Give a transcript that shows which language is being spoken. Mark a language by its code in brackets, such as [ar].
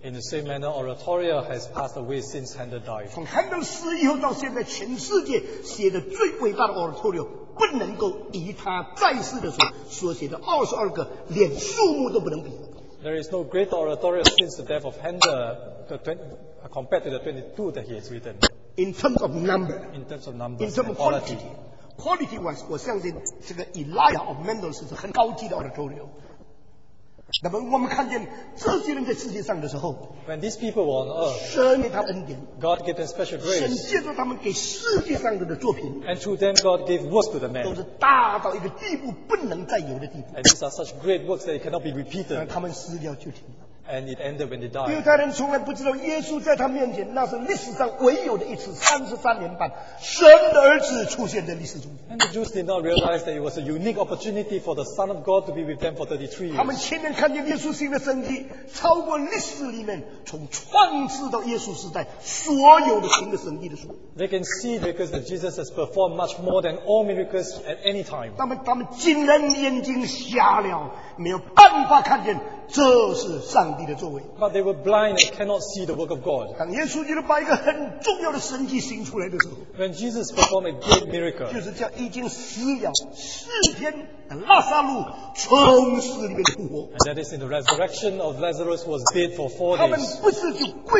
[en] In the same manner, oratorio has passed away since Handel died. [zh] 从Handel死以后到现在，全世界写的最伟大的oratorio 不能够以他在世的时候所写的22个，连数目都不能比。 [en] There is no great oratorio since the death of Handel, compared to the 22 that he has written. In terms of number. In terms of number. In terms of quality. Quality wise, [zh] 我相信这个 Elijah of Mendel 是很高级的 oratorio. 那么我们看见这些人在世界上的时候, [en] when these people were on earth, [zh] 神给他恩典, [en] God gave them special grace. [zh] 神借着他们给世界上的作品, [en] and through them God gave works to the man. [zh] 都是大到一个地步不能再有的地步, [en] and these are such great works that it cannot be repeated. [zh] 他们死掉就停了, [en] and it ended when they died. [zh] 犹太人从来不知道耶稣在他面前, 那是历史上唯有的一次, 33年半, 神的儿子出现在历史中间。 [en] And the Jews did not realize that it was a unique opportunity for the Son of God to be with them for 33 years. [zh] 他们前面看见耶稣新的生机, 超过历史里面, 从创世到耶稣时代, 所有的新的生机的书。 [en] They can see because that Jesus has performed much more than all miracles at any time. [zh] 他们竟然眼睛瞎了, 没有办法看见, 这是上帝的作为。 [en] But they were blind and cannot see the work of God. [zh] 当耶稣基督把一个很重要的神迹行出来的时候, [en] when Jesus performed a great miracle, [zh] 就是叫已经死了四天的拉萨路从死里面复活。 [en] And that is in the resurrection of Lazarus who was dead for 4 days.